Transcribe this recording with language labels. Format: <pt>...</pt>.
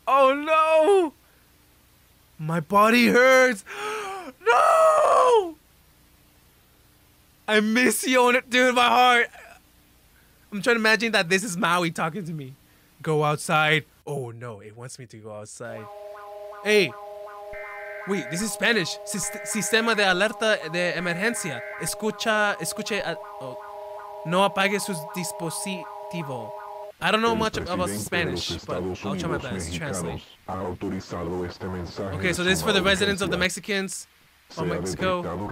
<en>Oh no! My body hurts. No! I miss you, dude, my heart. I'm trying to imagine that this is Myuu talking to me. Go outside. Oh no, it wants me to go outside. Hey. Wait, this is Spanish.</en> <es>Sistema de alerta de emergencia. Escuche. No apague sus dispositivos.</es> <en>I don't know much about Spanish, but I'll try my best to translate. Okay, so this is for the residents of the Mexicans or Mexico.</en>